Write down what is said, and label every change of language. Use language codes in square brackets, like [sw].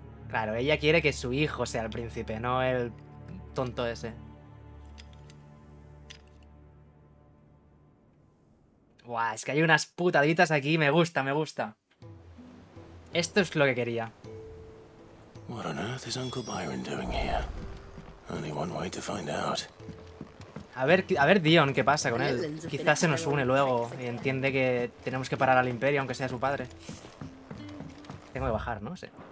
[es] Claro, ella quiere que su hijo sea el príncipe, no el tonto ese. Buah, es que hay unas putaditas aquí, me gusta, me gusta. Esto es lo que quería. [en] What on earth is Uncle Byron doing here? Only one way to find out. [es] A ver, Dion, ¿qué pasa con él? Quizás se nos une luego y entiende que tenemos que parar al Imperio, aunque sea su padre. Tengo que bajar, ¿no? Sí.